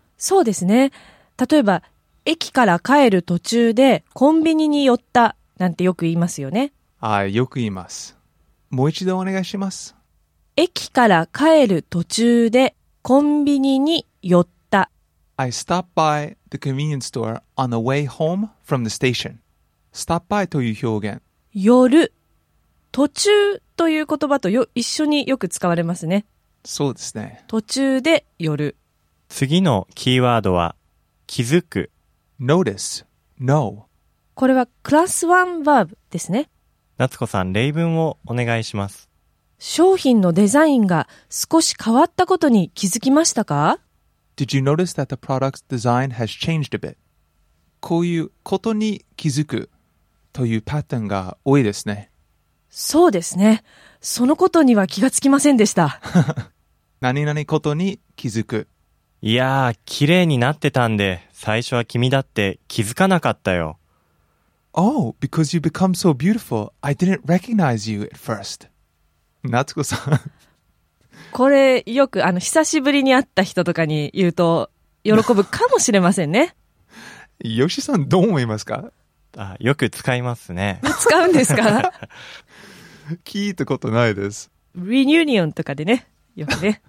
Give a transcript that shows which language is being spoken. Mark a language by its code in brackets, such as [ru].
[ja] そうですね。例えば、駅から帰る途中でコンビニに寄ったなんてよく言いますよね。あ、よく言います。もう一度お願いします。駅から帰る途中でコンビニに寄った。 [en] I stopped by the convenience store on the way home from the station. Stop by [ja] という表現、寄る、途中という言葉と一緒によく使われますね。そうですね。途中で寄る。次のキーワードは気づく。 [en] Notice, know。 [ja] これはクラス1バーブですね。夏子さん、例文をお願いします。商品のデザインが少し変わったことに気づきましたか？ [en] Did you notice that the product's design has changed a bit? [ja] こういうことに気づくというパターンが多いですね。そうですね。そのことには気がつきませんでした。何々ことに気づく。いやー、綺麗になってたんで、最初は君だって気づかなかったよ。 [en] Oh, because you've become so beautiful, I didn't recognize you at first. [ja] 夏子さん。これよく久しぶりに会った人とかに言うと喜ぶかもしれませんね。ヨシさんどう思いますか？あ、よく使いますね。使うんですか？聞いたことないです。リニューニオンとかでね、よくね。